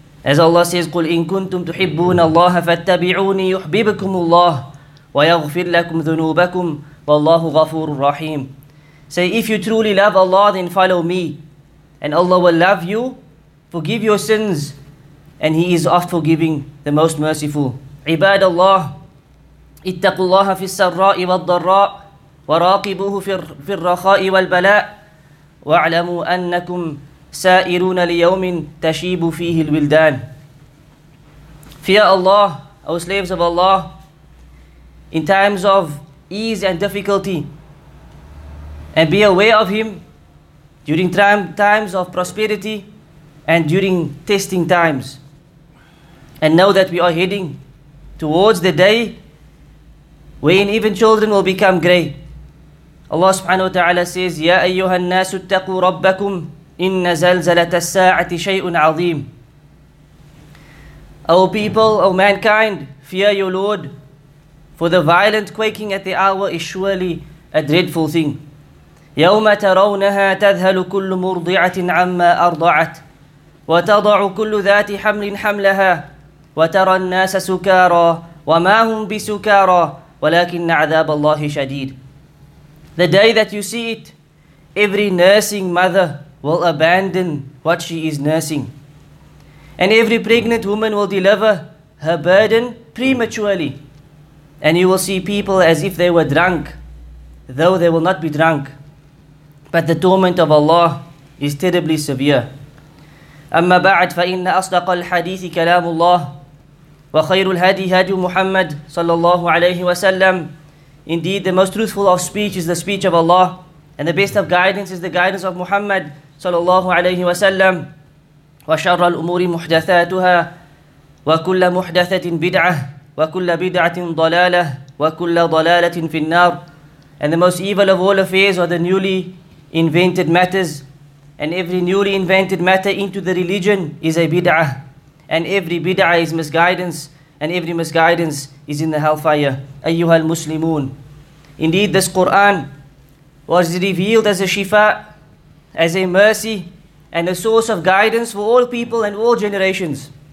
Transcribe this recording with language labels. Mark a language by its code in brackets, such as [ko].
[en] As Allah says, [ar] قُلْ إِن كُنْتُمْ تُحِبُّونَ اللَّهَ فَاتَّبِعُونِي يُحْبِبْكُمُ اللَّهُ وَيَغْفِرْ لَكُمْ ذُنُوبَكُمْ وَاللَّهُ غَفُورٌ رَحِيمٌ. [en] Say, if you truly love Allah, then follow me, and Allah will love you, forgive your sins, and he is oft forgiving, the most merciful. [ar] عباد الله اتقوا الله في السراء والضراء وراقبوه في الرخاء والبلاء واعلموا أنكم سائرون ليوم تشيب فيه الولدان. [en] Fear Allah, O slaves of Allah, in times of ease and difficulty, and be aware of him during times of prosperity and during testing times. And know that we are heading towards the day when even children will become grey. Allah subhanahu wa ta'ala says, [ar] يَا أَيُّهَا النَّاسُ اتَّقُوا رَبَّكُمْ إِنَّ زَلْزَلَةَ السَّاعَةِ شَيْءٌ عَظِيمٌ. [en] O people, O mankind, fear your Lord, for the violent quaking at the hour is surely a dreadful thing. [ar] يَوْمَ تَرَوْنَهَا تَذْهَلُ كُلُّ مُرْضِعَةٍ عَمَّا أَرْضَعَتْ وتضع كل ذات حمل حملها وترى الناس سكارى وما هم بسكارى ولكن عذاب الله شديد. [en] The day that you see it, every nursing mother will abandon what she is nursing, and every pregnant woman will deliver her burden prematurely, and you will see people as if they were drunk, though they will not be drunk. But the torment of Allah is terribly severe. [ar] أما بعد فإن أصدق الحديث كلام الله وخير الهدي هدي محمد صلى الله عليه وسلم. [en] Indeed, the most truthful of speech is the speech of Allah, and the best of guidance is the guidance of Muhammad صلى الله عليه وسلم. [ar] وشر الأمور محدثاتها وكل محدثة بدعة وكل بدعة ضلالة وكل ضلالة في النار. [en] And the most evil of all affairs are the newly invented matters, and every newly invented matter into the religion is a bid'ah, and every bid'ah is misguidance, and every misguidance is in the hellfire. Ayyuhal Muslimun. Indeed, this Quran was revealed as a shifa, as a mercy, and a source of guidance for all people and all generations.